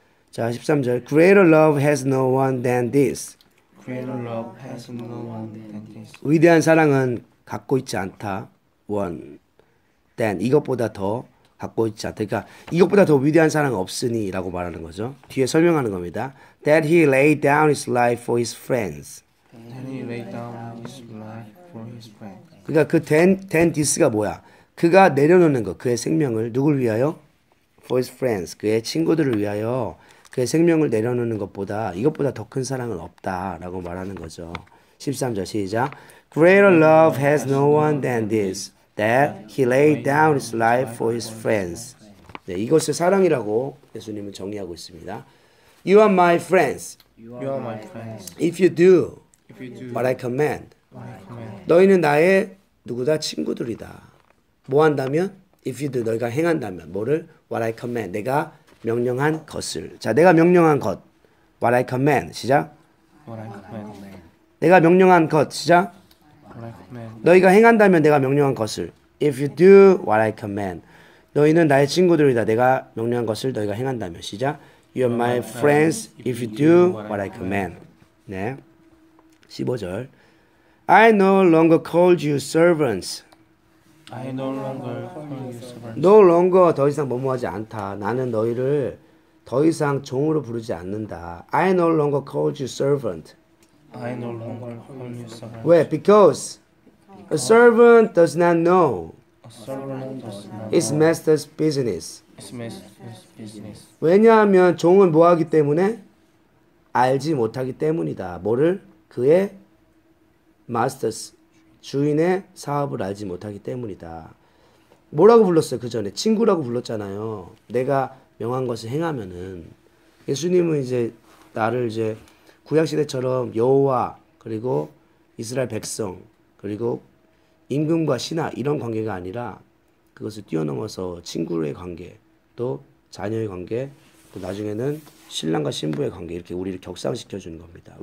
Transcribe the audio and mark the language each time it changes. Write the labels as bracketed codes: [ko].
[ko] 자, 13절. [en] Greater love has no one than this. Greater love has no one than this. [ko] 위대한 사랑은 갖고 있지 않다. [en] One, than [ko] 이것보다 더 갖고 있지 않다. 그러니까 이것보다 더 위대한 사랑은 없으니라고 말하는 거죠. 뒤에 설명하는 겁니다. [en] That he laid down his life for his friends. That he laid down his life for his friends. [ko] 그러니까 그 than this가 뭐야? 그가 내려놓는 거, 그의 생명을 누굴 위하여? [en] For his friends, [ko] 그의 친구들을 위하여. 그의 생명을 내려놓는 것보다 이것보다 더 큰 사랑은 없다라고 말하는 거죠. 13절 시작. [en] Greater love has no one than this, that he laid down his life for his friends. [ko] 네, 이것을 사랑이라고 예수님은 정의하고 있습니다. [en] You are my friends. You are my friends. If you do, if you do what I command, what I command. [ko] 너희는 나의 누구다? 친구들이다. 뭐 한다면? [en] If you do, [ko] 너희가 행한다면. 뭐를? [en] What I command. [ko] 내가 명령한 것을. 자, 내가 명령한 것. [en] What I command. [ko] 시작. [en] What I command. [ko] 내가 명령한 것. 시작. [en] What I command. [ko] 너희가 행한다면 내가 명령한 것을. [en] If you do what I command. [ko] 너희는 나의 친구들이다. 내가 명령한 것을 너희가 행한다면. 시작. [en] You are my friends if you do what I command. [ko] 네. 15절. [en] I no longer call you servants. I no longer call you servants. No longer [ko] 더 이상 뭐뭐하지 않다. 나는 너희를 더 이상 종으로 부르지 않는다. [en] I no longer call you servant. I no longer call you servant. [ko] 왜? [en] Because a servant does not know his master's business. His master's business. [ko] 왜냐하면 종은 뭐하기 때문에? 알지 못하기 때문이다. 뭐를? 그의 master's 주인의 사업을 알지 못하기 때문이다. 뭐라고 불렀어요? 그 전에 친구라고 불렀잖아요. 내가 명한 것을 행하면은 예수님은 이제 나를 이제 구약 시대처럼 여호와 그리고 이스라엘 백성 그리고 임금과 신하 이런 관계가 아니라 그것을 뛰어넘어서 친구의 관계 또 자녀의 관계 또 나중에는 신랑과 신부의 관계 이렇게 우리를 격상시켜 주는 겁니다.